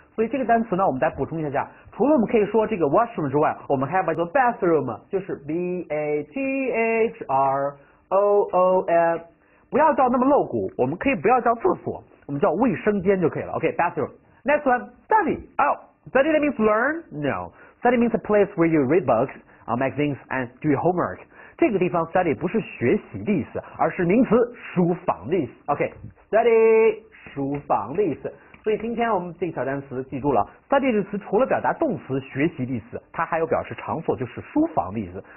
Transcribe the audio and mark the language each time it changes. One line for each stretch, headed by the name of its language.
Chinese: 所以这个单词呢，我们再补充一下。除了我们可以说这个 washroom 之外，我们还要把这个 bathroom， 就是 bathroom， 不要叫那么露骨。我们可以不要叫厕所，我们叫卫生间就可以了。
English: Okay, bathroom. Next one, study. Oh, study that means learn? No. Study means a place where you read books, magazines, and do your homework.
Chinese: 这个地方 study 不是学习的意思，而是名词书房的意思。 OK, study 书房的意思。所以今天我们这个小单词记住了 ，study 这个词除了表达动词学习的意思，它还有表示场所，就是书房的意思。